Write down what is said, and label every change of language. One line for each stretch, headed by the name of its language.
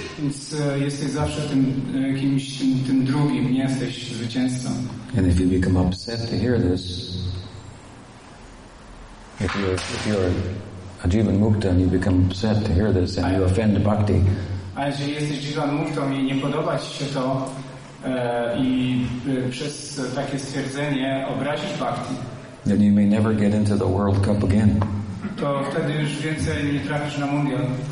Polish: Więc jesteś zawsze tym drugim, nie jesteś zwycięzcą.
English: And if you become upset to hear this, if you're a Jivan Mukta and you become upset to hear this and you offend bhakti.
Polish: A jeżeli jesteś Jivan Mukta i nie podoba ci się to i przez takie stwierdzenie obrazisz bhakti,
English: then you may never get into the World Cup again.
Polish: To wtedy już więcej nie trafisz na mundial.